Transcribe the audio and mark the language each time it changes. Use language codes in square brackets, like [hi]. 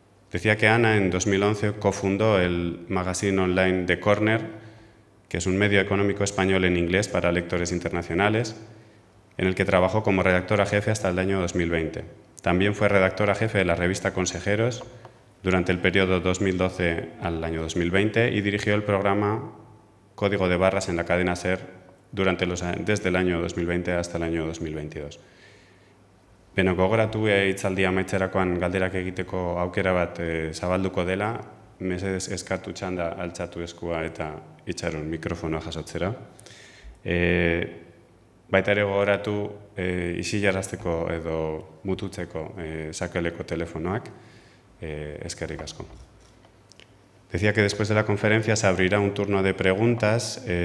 [es] Decía que Ana en 2011 cofundó el magazine online The Corner, que es un medio económico español en inglés para lectores internacionales, en el que trabajó como redactora jefe hasta el año 2020. También fue redactora jefe de la revista Consejeros durante el periodo 2012 al año 2020 y dirigió el programa Código de Barras en la cadena SER desde el año 2020 hasta el año 2022. [eu] Beno, gogoratu itzaldia amaitzerakoan galderak egiteko aukera bat zabalduko dela, mesedez eskatu txanda altxatu eskua eta itxaron mikrofonoa jasotzera. Baita ere gogoratu isilarazteko edo mututzeko sakeleko telefonoak, eskerrik asko. [es] Decía que después de la conferencia se abrirá un turno de preguntas.